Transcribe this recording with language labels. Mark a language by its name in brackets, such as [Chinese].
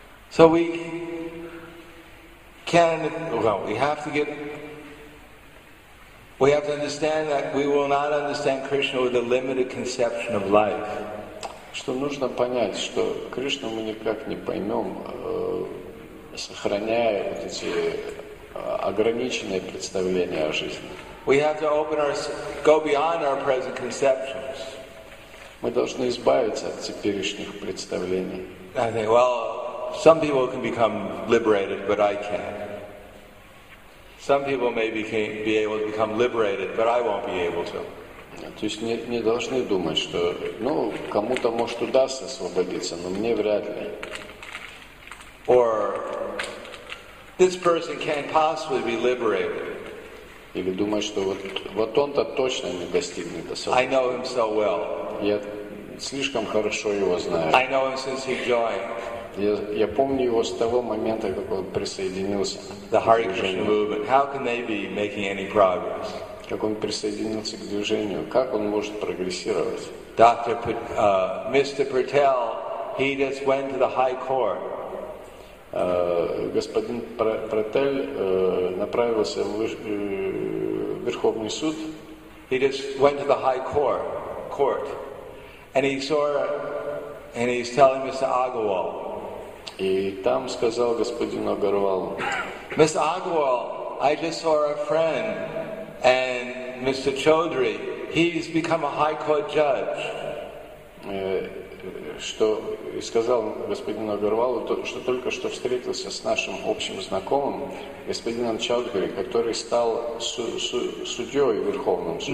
[English] So we can, well, we have to understand that we will not understand Krishna with a limited conception of life. [Russian] Что нужно понять, что Кришну мы никак не поймем, сохраняя вот эти ограниченные представления о жизни. [English] We have to open go beyond our present conceptions. [Russian] Мы должны избавиться от теперешних представлений. [English] I think, well, some people can become liberated, but I can't. Some people may be able to become liberated, but I won't be able to. [Russian] То есть не должны думать, что, ну, кому-то может удастся освободиться, но мне вряд ли. [English] Or this person can't possibly be liberated. [Russian] Или думать, что вот он-то точно не достигнет освобождения. [English] I know him so well. [Russian] Я слишком хорошо его знаю. [English] I know him since he joined. [Russian] Я помню его с того момента, как он присоединился. [English] The Hare Krishna movement. How can they be making any progress? [Russian] Как он присоединился к движению, как он может прогрессировать? [English] Dr. Mr. Patel, he just went to the High Court. [Russian] Господин Пратель направился в Верховный суд. [English] He just went to the High Court, and he saw, and he's telling Mr. Agarwal. [Russian] И там сказал господину Агарвалу. [English] Mr. Agarwal, I just saw a friend. And Mr. Chaudhary, he's become a high court judge. [Russian] Что сказал господин Агарвал, что только что встретился с нашим общим знакомым, господином Чаудхари, который стал судьей Верховным судьей.